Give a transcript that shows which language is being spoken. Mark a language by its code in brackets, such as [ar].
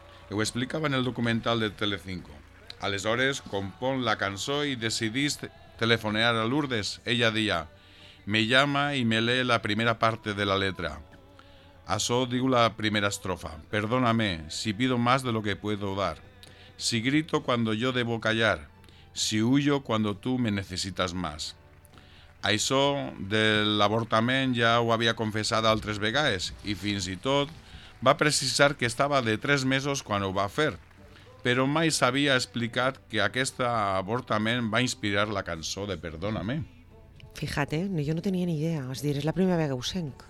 [ca] Ho explicava en el documental de Telecinco. Aleshores, compon la cançó i decidís telefonear a Lourdes. Ella deia, [es] me llama y me lee la primera parte de la letra. Así digo la primera estrofa. Perdóname si pido más de lo que puedo dar. Si grito cuando yo debo callar. Si huyo cuando tú me necesitas más. [ca] Això del avortament ja ho havia confessat altres vegades i fins i tot va precisar que estava de 3 mesos quan ho va fer. Però mai s'havia explicat que aquest avortament va inspirar la cançó de Perdóname. [es] Fíjate, yo no tenía ni idea, es decir, es la primera vez que usenc.